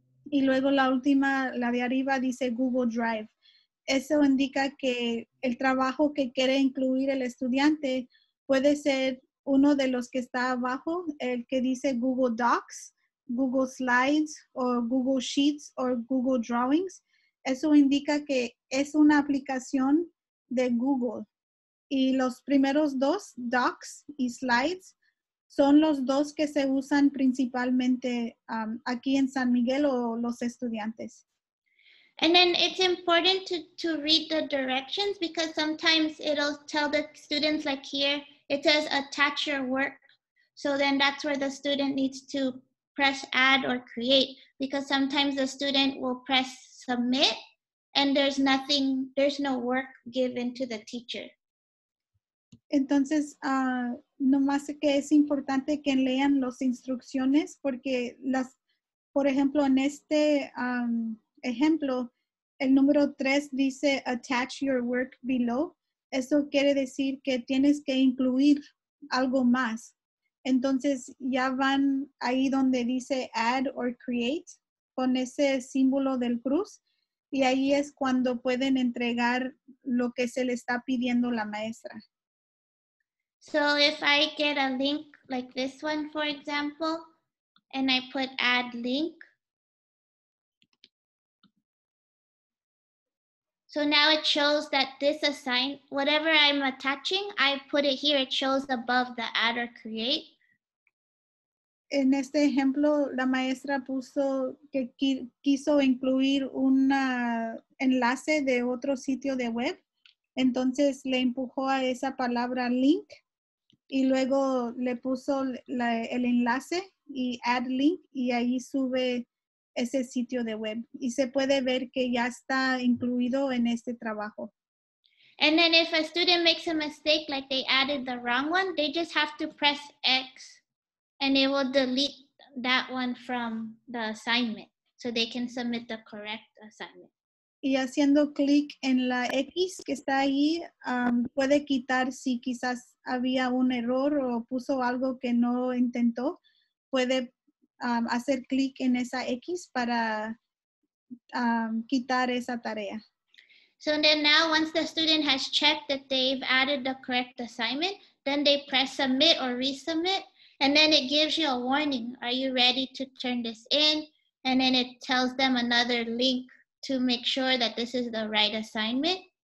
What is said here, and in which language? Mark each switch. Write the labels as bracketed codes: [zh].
[es] Y luego la última, la de arriba, dice Google Drive. Eso indica que el trabajo que quiere incluir el estudiante puede ser uno de los que está abajo, el que dice Google Docs, Google Slides, o Google Sheets, o Google Drawings. Eso indica que es una aplicación de Google. Y los primeros dos, Docs y Slides, son los dos que se usan principalmente aquí en San Miguel o los estudiantes. [en] And then it's important to read the directions because sometimes it'll tell the students like here, it says attach your work. So then that's where the student needs to press add or create because sometimes the student will press submit and there's no work given to the teacher. [es] Entonces, nomás que es importante que lean las instrucciones porque, por ejemplo, en este ejemplo, el número 3 dice [en] attach your work below. [es] Eso quiere decir que tienes que incluir algo más. Entonces, ya van ahí donde dice [en] add or create [es] con ese símbolo del cruz y ahí es cuando pueden entregar lo que se le está pidiendo la maestra. [en] So if I get a link like this one, for example, and I put add link. So now it shows that this assign, whatever I'm attaching, I put it here, it shows above the add or create. [es] En este ejemplo, la maestra puso que quiso incluir un enlace de otro sitio de web. Entonces le empujó a esa palabra link. Y luego le puso el enlace y [en] add link [es] y ahí sube ese sitio de web. Y se puede ver que ya está incluido en este trabajo. [en] And then if a student makes a mistake, like they added the wrong one, they just have to press X and it will delete that one from the assignment. so they can submit the correct assignment. [es] Y haciendo clic en la X que está ahí, puede quitar si quizás había un error o puso algo que no intentó. Puede hacer clic en esa X para quitar esa tarea. [en] So then now once the student has checked that they've added the correct assignment, then they press submit or resubmit, and then it gives you a warning. Are you ready to turn this in? And then it tells them another link to make sure that this is the right assignment.